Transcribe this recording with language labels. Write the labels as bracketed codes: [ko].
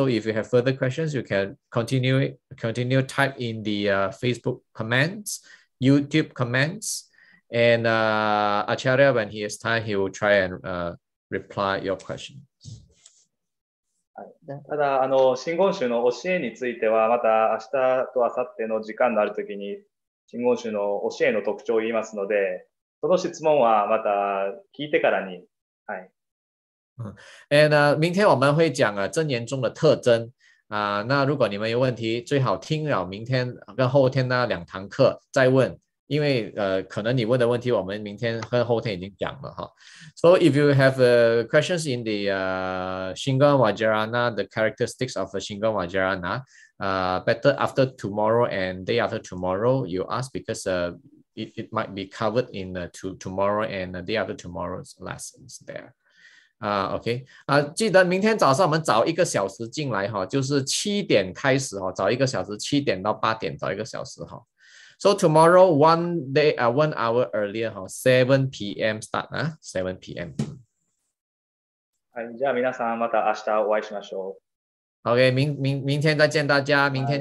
[en] So if you have further questions, you can continue type in the Facebook comments, YouTube comments, and Acharya, when he has time, he will try and reply your question. [ja] ただあの新言宗の教えについてはまた明日と明後日の時間のある時に。新言宗の教えの特徴を言いますので、その質問はまた聞いてからに。はい。 [zh] 明天我们会讲啊真言宗的特征。那如果你们有问题，最好听了明天跟后天那两堂课再问，因为可能你问的问题我们明天和后天已经讲了哈。 [en] So if you have questions in the Shingon Vajrayana, the characteristics of a Shingon Vajrayana, better after tomorrow and day after tomorrow you ask because it might be covered in tomorrow and the day after tomorrow's lessons there. [zh] OK，记得明天早上我们早一个小时进来哈，就是7点开始哈，早一个小时，7点到8点早一个小时哈。 [en] So tomorrow one hour earlier 哈，7 PM start 啊，7 PM。 [ja] はい、じゃあ皆さんまた明日お会いしましょ [zh] OK，明天再见大家，明天